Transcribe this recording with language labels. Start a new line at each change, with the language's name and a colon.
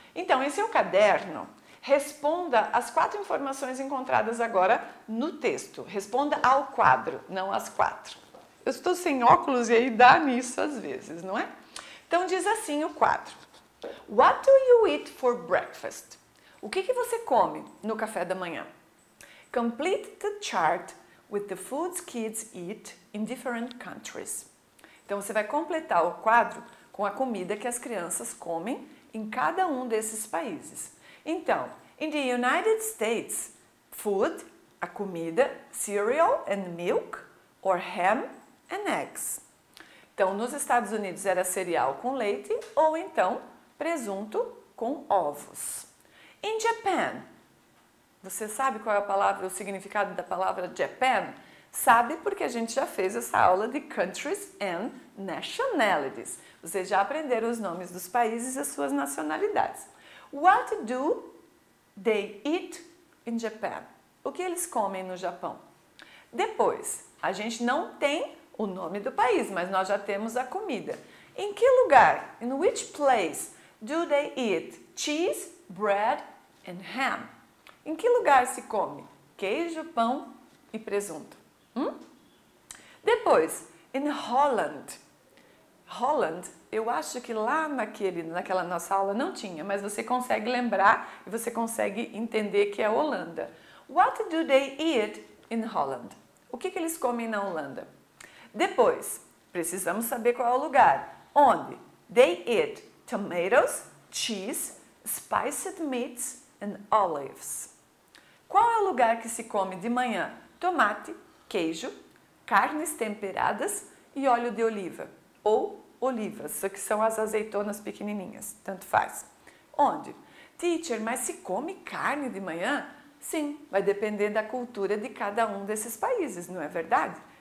Portuguese: Então, em seu caderno, responda às quatro informações encontradas agora no texto. Responda ao quadro, não às quatro. Eu estou sem óculos e aí dá nisso às vezes, não é? Então diz assim o quadro.
English: What do you eat for breakfast?
Portuguese: O que que você come no café da manhã?
English: Complete the chart with the foods kids eat in different countries.
Portuguese: Então você vai completar o quadro com a comida que as crianças comem em cada um desses países.
English: Então, in the United States, food,
Portuguese: a comida,
English: cereal and milk, or ham and eggs.
Portuguese: Então, nos Estados Unidos era cereal com leite ou então presunto com ovos.
English: In Japan,
Portuguese: você sabe qual é a palavra, o significado da palavra Japan? Sabe porque a gente já fez essa aula de
English: countries and nationalities.
Portuguese: Vocês já aprenderam os nomes dos países e as suas nacionalidades.
English: What do they eat in Japan?
Portuguese: O que eles comem no Japão? Depois, a gente não tem o nome do país, mas nós já temos a comida. Em que lugar?
English: In which place do they eat cheese, bread and ham?
Portuguese: Em que lugar se come queijo, pão e presunto? Depois,
English: in Holland.
Portuguese: Holland, eu acho que lá naquela nossa aula não tinha, mas você consegue lembrar e você consegue entender que é Holanda.
English: What do they eat in Holland?
Portuguese: O que que eles comem na Holanda? Depois, precisamos saber qual é o lugar. Onde?
English: They eat tomatoes, cheese, spiced meats and olives.
Portuguese: Qual é o lugar que se come de manhã? Tomate, queijo, carnes temperadas e óleo de oliva. Ou olivas, que são as azeitonas pequenininhas, tanto faz. Onde? Teacher, mas se come carne de manhã? Sim, vai depender da cultura de cada um desses países, não é verdade?